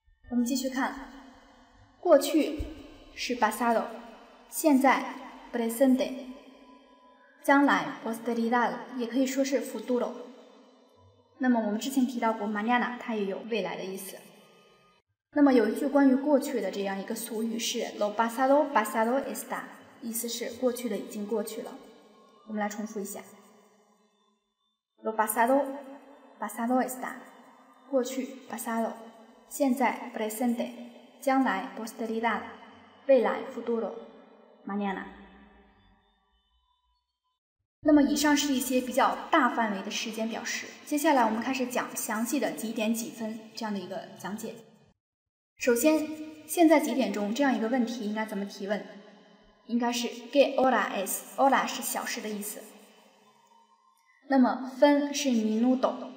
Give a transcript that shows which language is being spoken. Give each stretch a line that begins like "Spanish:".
Chinese: 我们继续看，过去是 pasado， 现在 presente， 将来 posteridad， 也可以说是 futuro。那么我们之前提到过 mañana， 它也有未来的意思。那么有一句关于过去的这样一个俗语是
Spanish: lo pasado pasado está，
Chinese: 意思是过去的已经过去了。我们来重复一下，
Spanish: lo pasado pasado está， 过去 pasado，现在 presente， 将来 posteridad， 未来 futuro mañana。
Chinese: 那么以上是一些比较大范围的时间表示，接下来我们开始讲详细的几点几分这样的一个讲解。首先现在几点钟这样一个问题应该怎么提问，应该是
Spanish: qué hora es，
Chinese: hora 是小时的意思。那么分是 minuto，